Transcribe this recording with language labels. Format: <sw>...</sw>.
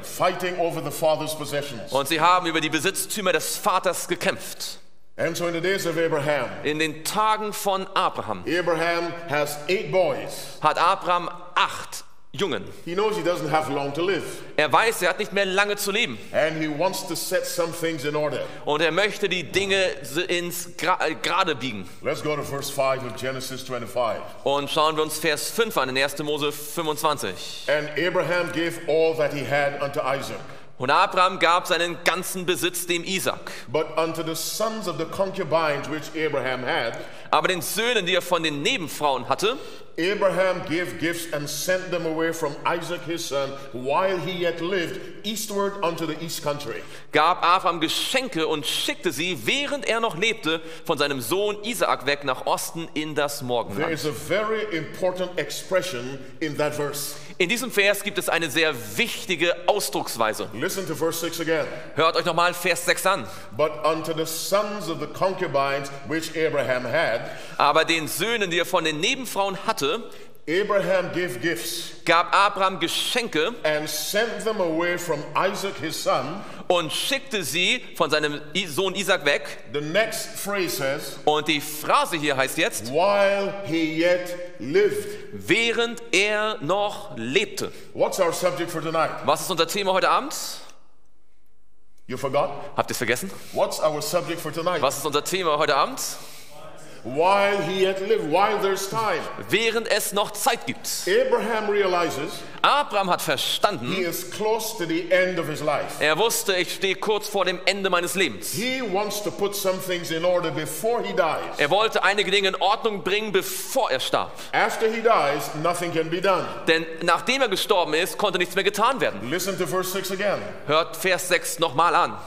<en>Fighting over the father's possessions.</en> <de>Und sie haben über die Besitztümer des Vaters gekämpft.</de> <en>And so in the days of Abraham.</en> <de>In den Tagen von Abraham.</de> <en>Abraham has eight boys.</en> <de>Hat Abraham acht Jungen.</de> <en>He knows he doesn't have long to live.</en> <de>Er weiß, er hat nicht mehr lange zu leben.</de> <en>And he wants to set some things in order.</en> <de>Und er möchte die Dinge ins Gerade biegen.</de> <en>Let's go to verse 5 of Genesis 25.</en> <de>Und schauen wir uns Vers 5 an in 1. Mose 25.</de> <en>And Abraham gave all that he had unto Isaac.</en> <de>Und Abraham gab seinen ganzen Besitz dem Isaak.</de> <en>But unto the sons of the concubines which Abraham had,</en> <de>aber den Söhnen, die er von den Nebenfrauen hatte,</de> <en>Abraham gave gifts and sent them away from Isaac his son while he yet lived eastward unto the east country.</en> <de>Gab Abraham Geschenke und schickte sie, während er noch lebte, von seinem Sohn Isaak weg nach Osten in das Morgenland.</de> <en>There is a very important expression in that verse.</en> <de>In diesem Vers gibt es eine sehr wichtige Ausdrucksweise.</de> <en>Listen to verse 6 again.</en> <de>Hört euch nochmal Vers 6 an.</de> <en>But unto the sons of the concubines which Abraham had,</en> <de>aber den Söhnen, die er von den Nebenfrauen hatte,</de> <en>Abraham gave gifts,</en> <de>gab Abraham Geschenke,</de> <en>and sent them away from Isaac his son,</en> <de>und schickte sie von seinem Sohn Isaak weg.</de> <en>The next phrase says,</en> <de>und die Phrase hier heißt jetzt,</de> <en>while he yet lived,</en> <de>während er noch lebte.</de> <en>What's our subject for tonight?</en> <de>Was ist unser Thema heute Abend?</de> <en>You forgot?</en> <de>Habt ihr es vergessen?</de> <en>What's our subject for tonight?</en> <de>Was ist unser Thema heute Abend?</de> <en>While he yet lived, while there's time.</en> <de>Während es noch Zeit gibt.</de> <en>Abraham realizes.</en> <de>Abraham hat verstanden.</de> <en>He is close to the end of his life.</en> <de>Er wusste, ich stehe kurz vor dem Ende meines Lebens.</de> <en>He wants to put some things in order before he dies.</en> <de>Er wollte einige Dinge in Ordnung bringen, bevor er starb.</de> <en>After he dies, nothing can be done.</en> <de>Denn nachdem er gestorben ist, konnte nichts mehr getan werden.</de> <en>Listen to verse 6 again.</en> <de>Hört Vers 6 nochmal an.</de>